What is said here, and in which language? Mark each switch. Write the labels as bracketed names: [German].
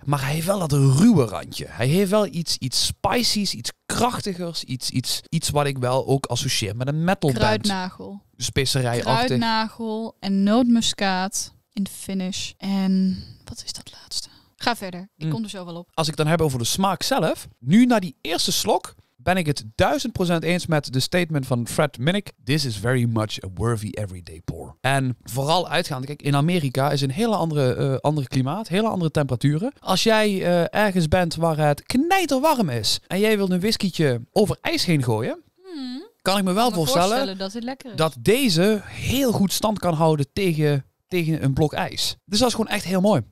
[Dutch] Maar hij heeft wel dat ruwe randje. Hij heeft wel iets spicy's, iets krachtigers, iets wat ik wel ook associeer met een metal band. Kruidnagel. Specerijachtig. Kruidnagel en nootmuskaat in finish. En wat is dat laatste? Ga verder. Ik kom er zo wel op. Als ik dan heb over de smaak zelf. Nu na die eerste slok ben ik het 1000% eens met de statement van Fred Minnick. [English] This is very much a worthy everyday pour. [Dutch] En vooral uitgaande. Kijk, in Amerika is een hele andere klimaat. Hele andere temperaturen. Als jij ergens bent waar het knijterwarm is. En jij wilt een whiskytje over ijs heen gooien. Kan ik me wel voorstellen dat het lekker is. Dat deze heel goed stand kan houden tegen een blok ijs. Dus dat is gewoon echt heel mooi.